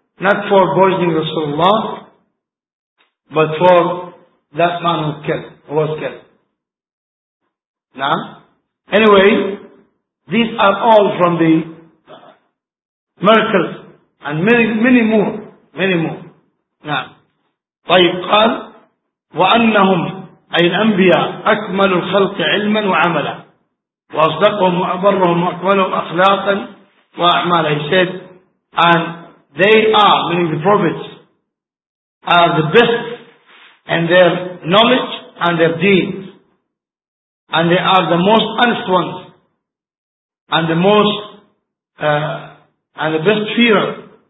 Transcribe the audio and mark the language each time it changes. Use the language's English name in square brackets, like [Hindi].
[English] Not for poisoning Rasulullah, but for that man who killed, who was killed. Now, anyway, these are all from the miracles, and many, many more, many more. [Arabic] Now, طيب قال وأنهم أي الأنبياء أكملوا الخلق علما وعملا وأصدقهم وأبرهم وأكملهم أخلاقا وأعمالا. [English] He said, and they are, meaning the prophets, are the best in their knowledge and their deeds. And they are the most honest ones. And the most, and the best fearer.